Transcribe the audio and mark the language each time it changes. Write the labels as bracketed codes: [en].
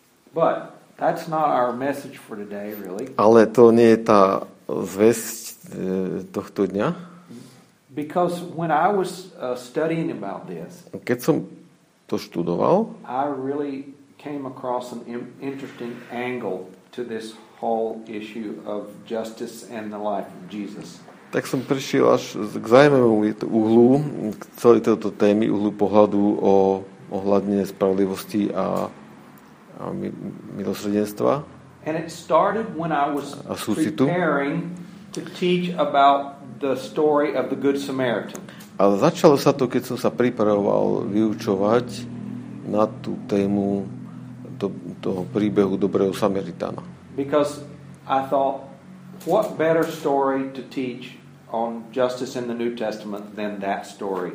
[en] But that's not our message for today, really. [sk] Ale to nie je tá zvesť tohto dňa. [en] Because when I was studying about this, [sk] keď som to študoval, [en] I really came across an interesting angle to this whole issue of justice and the life of Jesus. [sk] Tak som prišiel až k zaujímavému uhlu k celej tejto témy, uhlu pohľadu o ohľadne spravodlivosti a milosrdenstva. [en] And it started when I was preparing to teach about the story of the Good Samaritan. [sk] A začalo sa to, keď som sa pripravoval vyučovať na tú tému toho príbehu dobrého Samaritána. [en] Because I thought, what better story to teach on justice in the New Testament than that story.